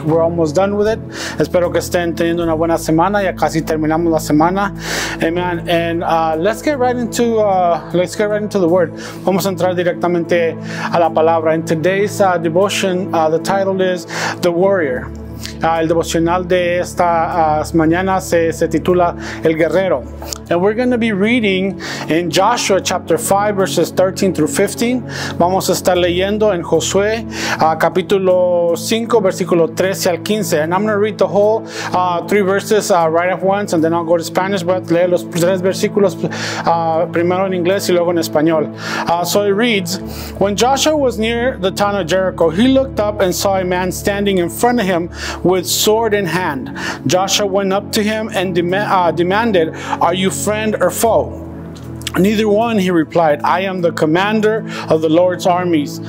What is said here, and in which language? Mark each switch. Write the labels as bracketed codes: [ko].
[en] We're almost done with it. [es] Espero que estén teniendo una buena semana. Ya casi terminamos la semana. [en] Amen. And let's get right into the word. [es] Vamos a entrar directamente a la palabra. [en] In today's devotion, the title is The Warrior. [es] El devocional de esta mañana se titula El Guerrero. [en] And we're going to be reading in Joshua chapter 5 verses 13 through 15. [es] Vamos a estar leyendo en Josué capítulo 5 versículo 13 al 15. [en] And I'm going to read the whole three verses right at once and then I'll go to Spanish. [es] Voy a leer los tres versículos primero en inglés y luego en español. [en] So it reads, when Joshua was near the town of Jericho, he looked up and saw a man standing in front of him with sword in hand. Joshua went up to him and demanded, are you friend or foe? Neither one, he replied. I am the commander of the Lord's armies.